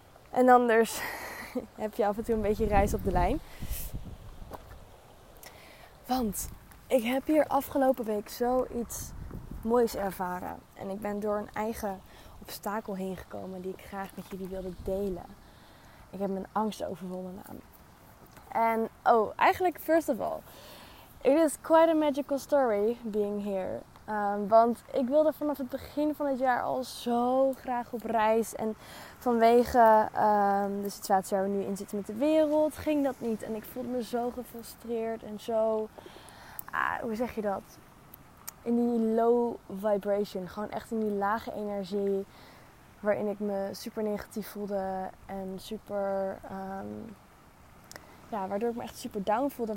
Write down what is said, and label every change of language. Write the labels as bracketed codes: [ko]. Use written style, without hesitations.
[nl] En anders heb je af en toe een beetje reis op de lijn. Want ik heb hier afgelopen week zoiets moois ervaren. En ik ben door een eigen obstakel heen gekomen die ik graag met jullie wilde delen. Ik heb mijn angst overwonnen aan. En, oh, eigenlijk, [en] first of all, it is quite a magical story being here. [nl] Want ik wilde vanaf het begin van het jaar al zo graag op reis. En vanwege de situatie waar we nu in zitten met de wereld, ging dat niet. En ik voelde me zo gefrustreerd en zo, hoe zeg je dat? In die [en] low vibration, [nl] gewoon echt in die lage energie, waarin ik me super negatief voelde en super, waardoor ik me echt super down voelde.